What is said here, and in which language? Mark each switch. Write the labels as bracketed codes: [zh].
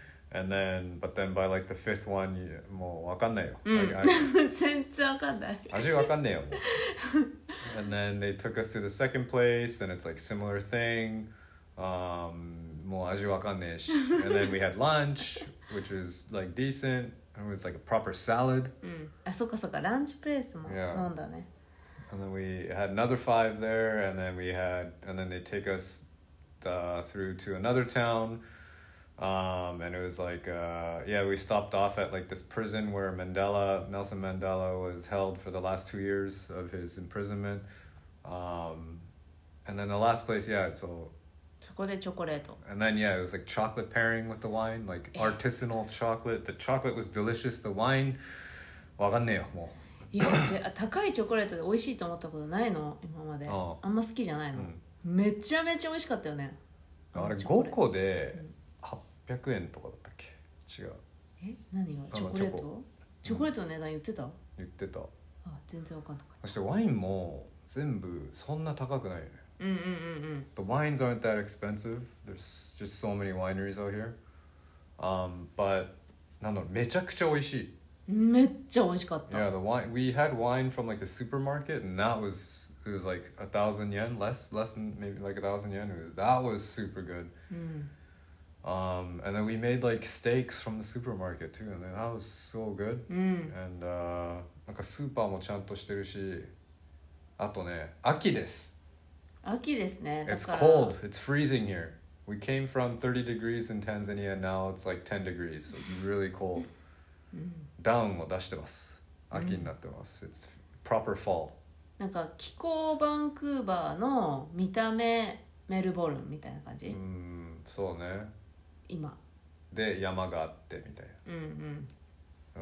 [en] And then, but then by like the fifth one, [ja] もうわかんないよ。全然わかんない。味わかんねえよ。 [en] And then they took us to the second place, and it's like similar thing. [ja] もう味わかんねえし。 [en] And then we had lunch, which was like decent. It was like a proper salad. [ja] あ、そっかそっか、ランチプレースも飲んだね。 [en] And then we had another five there, and then we had, and then they take us... through to another town, and it was like, we stopped off at like this prison where Nelson Mandela was held for the last 2 years of his imprisonment, and then the last place, so chocolate, and then it was like chocolate pairing with the wine, like artisanal chocolate. The chocolate was delicious. The wine, [ja] わかんねえよもう。いや、じゃ高いチョコレートで美味しいと思ったことないの今まで。あんま好きじゃないの、うん、めちゃめちゃ美味しかったよね。あれ5個で800円とかだったっけ、違う、え何がチョコレート、チョコレートの値段言ってた、うん、言ってた。あ全然分かんなかった。そしてワインも全部そんな高くないよね。うんうんうんうん。 [en] The wines aren't that expensive. There's just so many wineries out here. [ja] But なんだろう、めちゃくちゃ美味しい、めっちゃ美味しかった。 [en] Yeah, the wine, we had wine from like the supermarket and that was, it was like 1,000 yen, less than maybe like 1,000 yen. That was super good. And then we made like steaks from the supermarket too, and that was so good. [ja] And なんかスーパーもちゃんとしてるし、あとね、秋です、秋ですね。 [en] It's cold, it's freezing here. We came from 30 degrees in Tanzania and now it's like 10 degrees, so really cold. [ja] ダウンを出してます、秋になってます。 [en] It's proper fall. [ja] なんか気候バンクーバーの見た目メルボルンみたいな感じ。そうね、今で山があってみたいな、うんうん